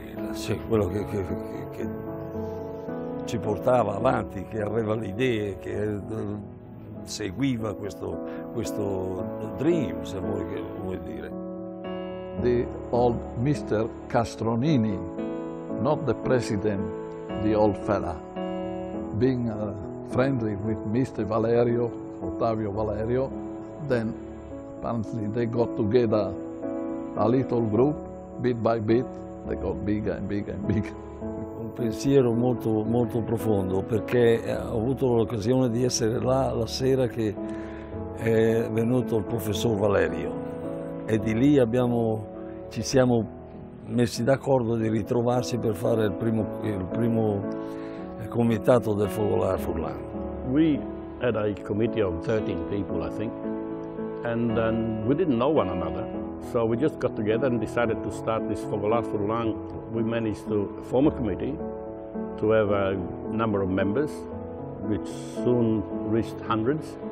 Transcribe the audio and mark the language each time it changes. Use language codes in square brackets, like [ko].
[it] Sì, quello che ci portava avanti, che aveva le idee, che seguiva questo dream, se vuoi dire. [en] The old Mr. Castronini, not the president, the old fella, being friendly with Mr. Valerio, Ottavio Valerio, then apparently they got together a little group, bit by bit, they got bigger and bigger and bigger. [it] Un pensiero molto, molto profondo, perché ho avuto l'occasione di essere là la sera che è venuto il professor Valerio e di lì ci siamo messi d'accordo di ritrovarsi per fare il primo comitato del Fogolar Furlan. [en] We had a committee of 13 people, I think, and then we didn't know one another, so we just got together and decided to start this Fogolar Furlan. We managed to form a committee to have a number of members, which soon reached hundreds.